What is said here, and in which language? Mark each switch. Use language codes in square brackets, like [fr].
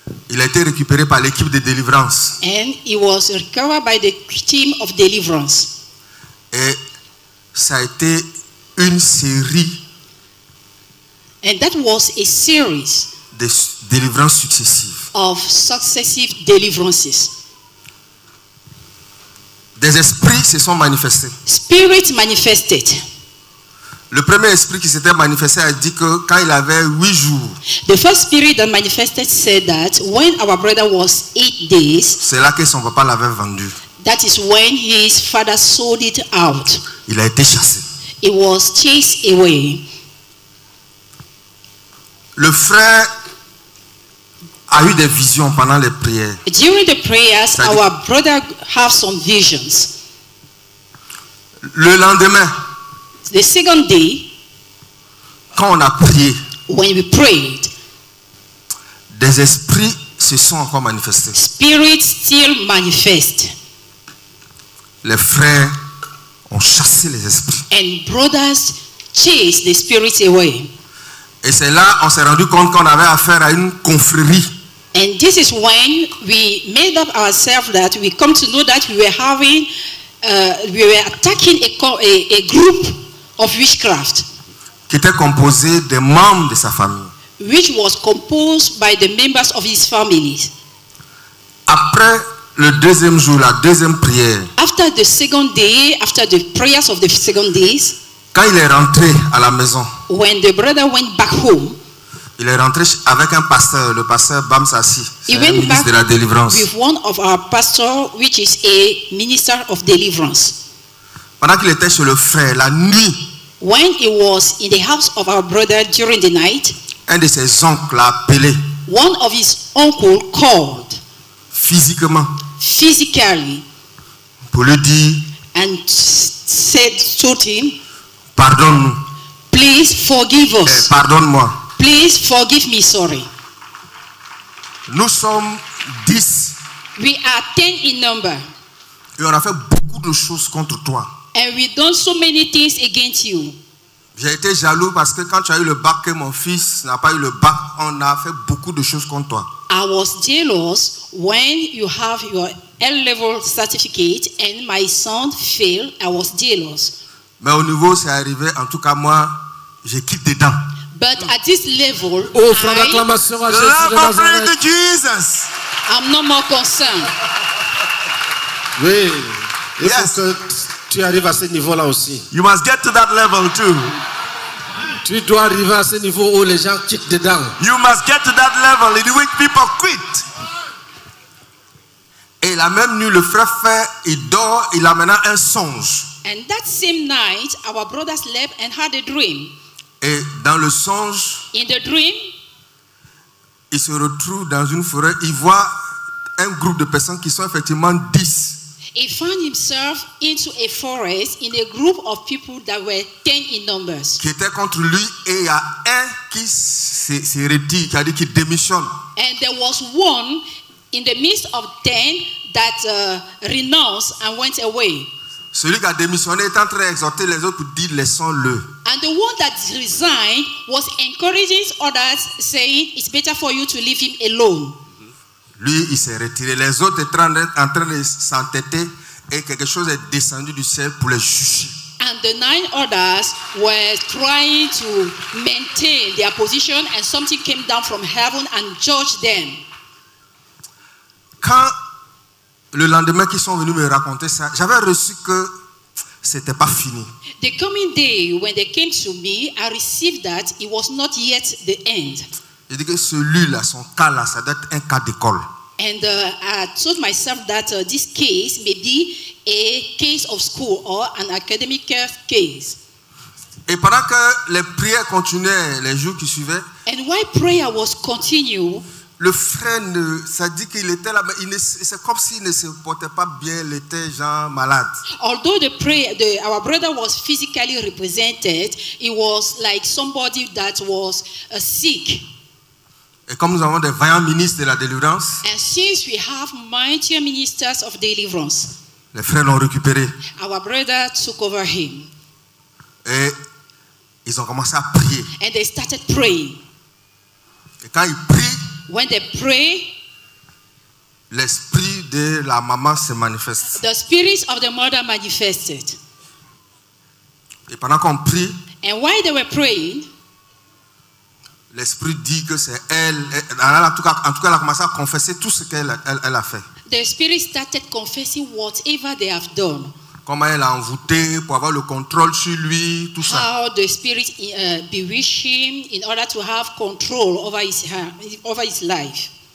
[fr] Il a été récupéré par l'équipe de délivrance. [en] And he was recovered by the team of deliverance. [fr] Et ça a été une série. [en] And that was a series [fr] de délivrances successives. [en] Of successive deliverances. [fr] Des esprits se sont manifestés. [en] Spirits manifested. [fr] Le premier esprit qui s'était manifesté a dit que quand il avait 8 jours. [en] The first spirit that manifested said that when our brother was 8 days. [fr] C'est là que son papa l'avait vendu. [en] That is when his father sold it out. [fr] Il a été chassé. [en] He was chased away. [fr] Le frère a eu des visions pendant les prières. [en] During the prayers, our brother had some visions. [fr] Le lendemain. [en] The second day, [fr] quand on a prié, [en] when we prayed, [fr] des esprits se sont encore manifestés. [en] Spirits still manifest. [fr] Les frères ont chassé les esprits. [en] And brothers chased the spirits away. [fr] Et c'est là on s'est rendu compte qu'on avait affaire à une confrérie. [en] And this is when we made up ourselves that we come to know that we were attacking a group. Of witchcraft, [fr] qui était composé des membres de sa famille, [en] which was composed by the members of his family. [fr] Après le deuxième jour, la deuxième prière, [en] after the second day, after the prayers of the second days, [fr] quand il est rentré à la maison, [en] when the brother went back home, [fr] il est rentré avec un pasteur, le pasteur Bam Sassi, [en] he went [fr] ministre [en] back [fr] de la délivrance, [en] with one of our pastors, which is a minister of deliverance. [fr] Pendant qu'il était chez le frère la nuit, [en] when he was in the house of our brother during the night, [fr] un de ses oncles l'a appelé, [en] one of his uncle called, physically, [fr] pour lui dire, [en] and said to him, [fr] pardonne-nous, [en] please forgive us, [fr] pardonne-moi, [en] please forgive me, sorry, [fr] nous sommes 10, [en] we are 10 in number, [fr] et on a fait beaucoup de choses contre toi. [en] And we've done so many things against you. [fr] J'ai été jaloux parce que quand tu as eu le bac que mon fils n'a pas eu le bac, on a fait beaucoup de choses contre toi. [en] I was jealous when you have your L-level certificate and my son failed. I was jealous. [fr] Mais au niveau, c'est arrivé. En tout cas, moi, je quitte dedans. [en] But at this level, Jesus. I'm no more concerned. [fr] Oui. [en] Yes. [fr] Faut que tu arrives à ce niveau-là aussi. [en] You must get to that level too. [fr] Tu dois arriver à ce niveau où les gens quittent dedans. [en] You must get to that level in which people quit. [fr] Et la même nuit, le frère fait, il dort, il amena un songe. [en] And that same night, our brother slept and had a dream. [fr] Et dans le songe, [en] in the dream, [fr] il se retrouve dans une forêt, il voit un groupe de personnes qui sont effectivement 10. [en] He found himself into a forest in a group of people that were 10 in numbers. [fr] Qui était contre lui et il y a un qui s'est retiré, qui a dit qu'il démissionne. [en] And there was one in the midst of 10 that renounced and went away. [fr] Celui qui a démissionné est en train d'exhorter les autres pour dire laissons-le. And the one that resigned was encouraging others, saying it's better for you to leave him alone. Lui, il s'est retiré. Les autres étaient en train de s'entêter et quelque chose est descendu du ciel pour les juger. [en] And the 9 others were trying to maintain their position and something came down from heaven and judged them. [fr] Quand le lendemain qu'ils sont venus me raconter ça, j'avais reçu que c'était pas fini. [en] The coming day when they came to me, I received that it was not yet the end. [fr] Je dis que celui-là, son cas-là, ça doit être un cas d'école. [en] And I told myself that this case may be a case of school or an academic case. [fr] Et pendant que les prières continuaient les jours qui suivaient, [en] and while prayer was continue, [fr] le frère, ça dit qu'il était là, mais c'est comme s'il ne se portait pas bien, il était genre malade. [en] Although the prayer, our brother was physically represented, he was like somebody that was sick. [fr] Et comme nous avons des vaillants ministres de la délivrance, [en] and since we have mighty ministers of deliverance, [fr] les frères l'ont récupéré. [en] Our brother took over him. [fr] Et ils ont commencé à prier. [en] And they started praying. [fr] Et quand ils prient, [en] when they pray, [fr] l'esprit de la maman se manifeste. [en] The spirit of the mother manifested. [fr] Et pendant qu'on prie, [en] and while they were praying, [fr] l'esprit dit que c'est elle. En tout cas, elle a commencé à confesser tout ce qu'elle a fait. [en] The spirit started confessing whatever they have done. [fr] Comment elle a envoûté pour avoir le contrôle sur lui, tout ça. [en] How the spirit bewitched him in order to have control over his life.